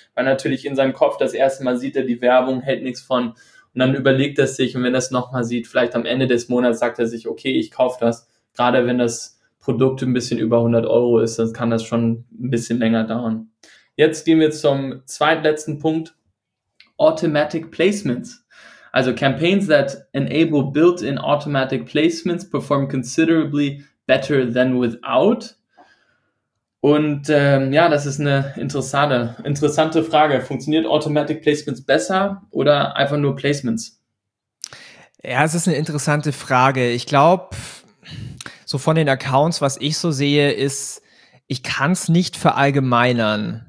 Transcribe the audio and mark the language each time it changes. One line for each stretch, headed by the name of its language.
German: Weil natürlich in seinem Kopf das erste Mal sieht er die Werbung, hält nichts von. Und dann überlegt er sich, und wenn er es nochmal sieht, vielleicht am Ende des Monats sagt er sich, okay, ich kaufe das. Gerade wenn das Produkt ein bisschen über 100 Euro ist, dann kann das schon ein bisschen länger dauern. Jetzt gehen wir zum zweitletzten Punkt. Automatic Placements.
English: Also Campaigns that enable built-in automatic placements perform considerably better than without.
German: Und ja, das ist eine interessante Frage. Funktioniert Automatic Placements besser oder einfach nur Placements? Ja, es ist eine interessante Frage. Ich glaube, so von den Accounts, was ich so sehe, ist, ich kann es nicht verallgemeinern.